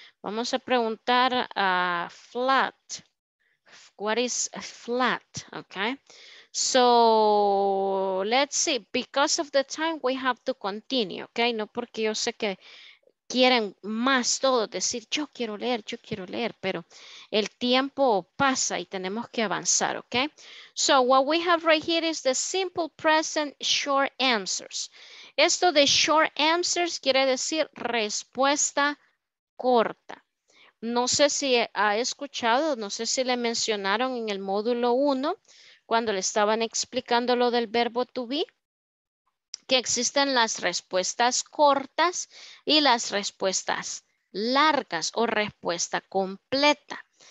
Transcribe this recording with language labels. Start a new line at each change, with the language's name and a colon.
Spanish: Vamos a preguntar
English: flat. What is a flat, ¿ok? So, let's see. Because of the time, we have to continue, ¿ok?
Spanish: No porque yo sé que quieren más todo, decir yo quiero leer, pero el tiempo pasa y tenemos que avanzar, ¿ok?
English: So what we have right here is the simple present short answers.
Spanish: Esto de short answers quiere decir respuesta corta. No sé si ha escuchado, no sé si le mencionaron en el módulo 1 cuando le estaban explicando lo del verbo to be, que existen las respuestas cortas y las respuestas largas o respuesta completa.